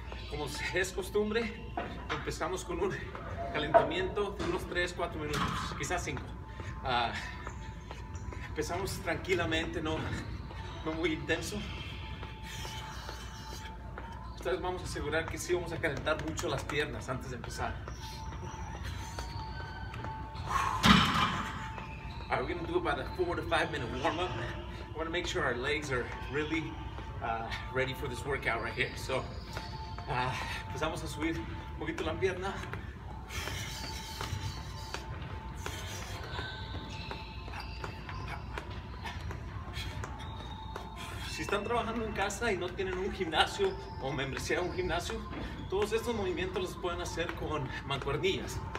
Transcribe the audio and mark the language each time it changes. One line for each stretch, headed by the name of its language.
Spanish: Como es costumbre, empezamos con un calentamiento de unos 3-4 minutos, quizás 5. Empezamos tranquilamente, no muy intenso. Ustedes vamos a asegurar que sí vamos a calentar mucho las piernas antes de empezar.
English: All right, we're going to do about a 4 to 5 minute warm up. I want to make sure our legs are really ready for this workout right here.
Spanish: So, empezamos a subir un poquito la pierna. Si están trabajando en casa y no tienen un gimnasio o membresía de un gimnasio, todos estos movimientos los pueden hacer con mancuernillas.